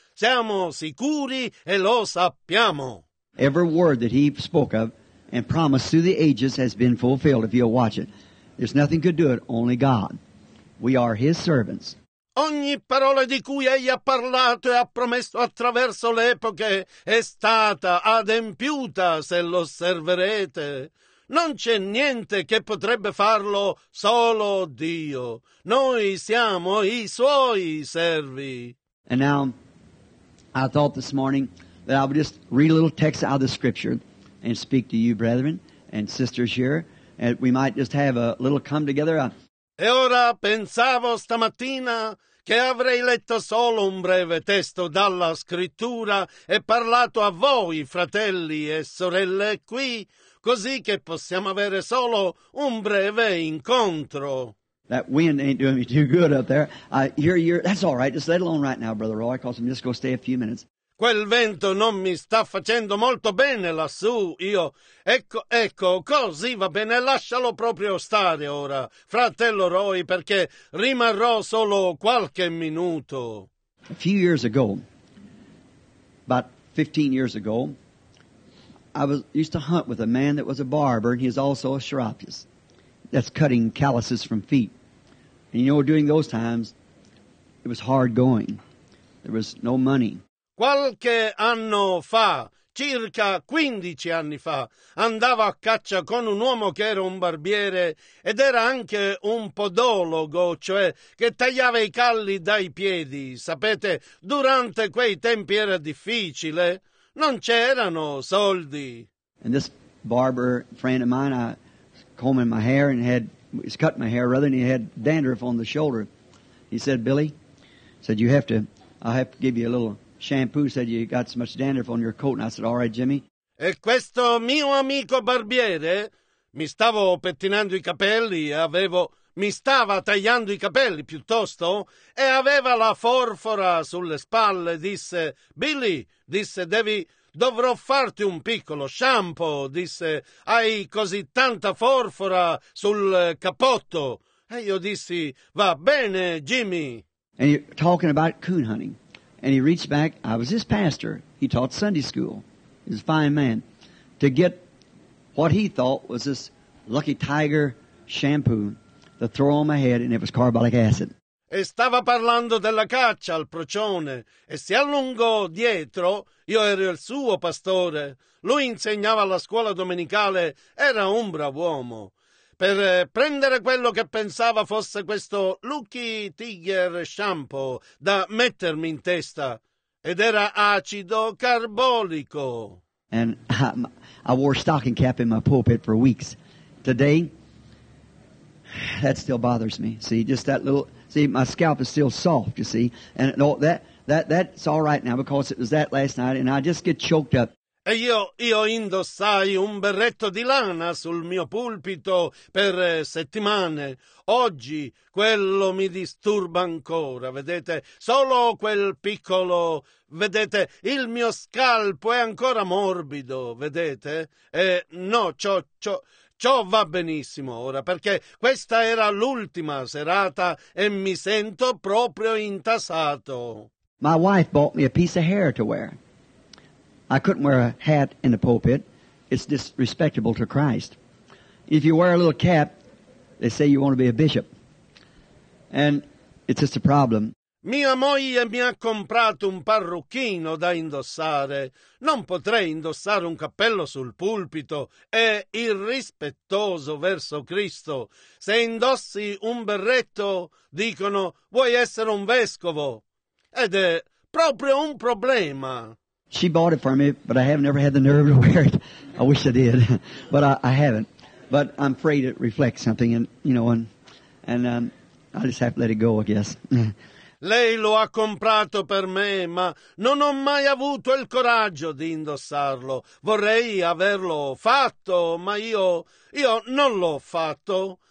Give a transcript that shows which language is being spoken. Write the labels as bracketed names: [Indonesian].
[Italian] Siamo sicuri e lo sappiamo. [English] Every word that he spoke of and promised through the ages has been fulfilled, if you'll watch it. There's nothing could do it, only God. We are his servants. [Italian] Ogni parola di cui egli ha parlato e ha promesso attraverso le epoche è stata adempiuta, se lo osserverete. Non c'è niente che potrebbe farlo, solo Dio. Noi siamo i suoi servi. [English] And now, I thought this morning that I would just read a little text out of the scripture and speak to you, brethren and sisters here, and we might just have a little come together. [Italian] E ora pensavo stamattina che avrei letto solo un breve testo dalla Scrittura e parlato a voi, fratelli e sorelle, qui, così che possiamo avere solo un breve incontro. [English] That wind ain't doing me too good up there. That's all right. Just let alone right now, Brother Roy, because I'm just going to stay a few minutes. [Italian] Quel vento non mi sta facendo molto bene lassù, io. Ecco, così va bene, lascialo proprio stare ora, fratello Roy, perché rimarrò solo qualche minuto. [English] A few years ago, about 15 years ago, I used to hunt with a man that was a barber, and he's also a chiropractor. That's cutting calluses from feet. And you know, during those times, it was hard going. There was no money. [Italian] Qualche anno fa, circa 15 anni fa, andavo a caccia con un uomo che era un barbiere ed era anche un podologo, cioè che tagliava i calli dai piedi. Sapete, durante quei tempi era difficile, non c'erano soldi. [English] And this barber friend of mine, he's cutting my hair, and he had dandruff on the shoulder. He said, Billy, said, I have to give you a little shampoo, said, you got so much dandruff on your coat. And I said, all right, Jimmy. [Italian] E questo mio amico barbiere mi stavo pettinando i capelli, mi stava tagliando i capelli piuttosto, e aveva la forfora sulle spalle. Disse, Billy, disse, dovrò farti un piccolo shampoo, disse, hai così tanta forfora sul cappotto. E io dissi, va bene, Jimmy. [English] And you're talking about coon hunting. And he reached back, I was his pastor, he taught Sunday school, he's a fine man, to get what he thought was this Lucky Tiger shampoo to throw on my head, and it was carbolic acid. [Italian] E stava parlando della caccia al procione, e si allungò dietro, io ero il suo pastore, lui insegnava alla scuola domenicale, era un bravo uomo. Per prendere quello che pensava fosse questo Lucky Tiger shampoo da mettermi in testa. Ed era acido carbolico. [English] And I wore stocking cap in my pulpit for weeks. Today, that still bothers me. See, just that little, see, my scalp is still soft, you see. And no, that's all right now because it was that last night and I just get choked up. [Italian] E io indossai un berretto di lana sul mio pulpito per settimane. Oggi quello mi disturba ancora, vedete? Solo quel piccolo, vedete? Il mio scalpo è ancora morbido, vedete? E no, ciò va benissimo ora, perché questa era l'ultima serata e mi sento proprio intasato. [English] My wife bought me a piece of hair to wear. I couldn't wear a hat in the pulpit. It's disrespectful to Christ. If you wear a little cap, they say you want to be a bishop. And it's just a problem. [Italian] Mia moglie mi ha comprato un parrucchino da indossare. Non potrei indossare un cappello sul pulpito. È irrispettoso verso Cristo. Se indossi un berretto, dicono, vuoi essere un vescovo? Ed è proprio un problema. [English] She bought it for me, but I haven't ever had the nerve to wear it. I wish I did, but I haven't. But I'm afraid it reflects something, and I just have to let it go, I guess. [Italian] Lei lo ha comprato per me, ma non ho mai avuto il coraggio di indossarlo. Vorrei averlo fatto, ma io non l'ho fatto.